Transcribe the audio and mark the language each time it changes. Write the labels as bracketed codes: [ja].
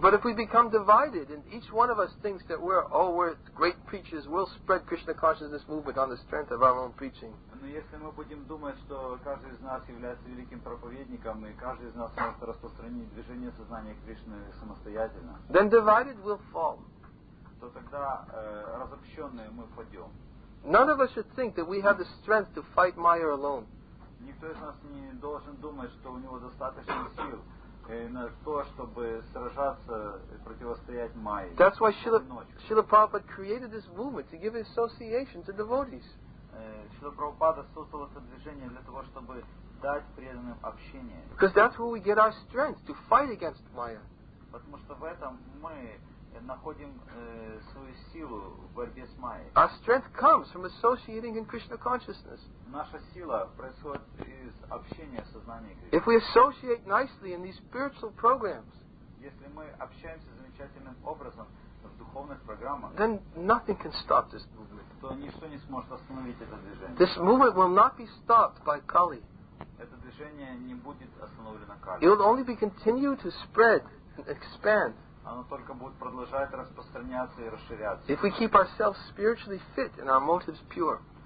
[en] But if we become divided and each one of us thinks that we're great preachers, we'll spread Krishna consciousness movement on the strength of our own preaching. [ru] Но если мы будем думать, что каждый из нас является великим проповедником и каждый из нас может распространить движение сознания Кришны самостоятельно, [en] then divided we'll fall. [ru] То тогда разобщенные мы падем. [en] None of us should think that we have the strength to fight Maya alone. [ru] Никто из нас не должен думать, что у него достаточно сил на то, чтобы сражаться и противостоять Майе. [en] That's why Srila Prabhupada created this movement to give association to devotees. [ru] Srila Prabhupada создал это движение для того, чтобы дать преданным общение. [en] Because that's where we get our strength to fight against Maya. [ru] Потому что в этом мы находим свою силу в борьбе с Майей. [en] Our strength comes from associating in Krishna consciousness. [ru] Наша сила происходит из общения сознания Кришны. [en] If we associate nicely in these spiritual programs, [ru] если мы общаемся замечательным образом в духовных программах, [en] then nothing can stop this movement. [ru] То ничто не сможет остановить это движение. [en] This movement will not be stopped by Kali. It will only be continued to spread and expand. [ru] Оно только будет продолжать распространяться и расширяться. [en] If we keep ourselves spiritually fit and our motives pure.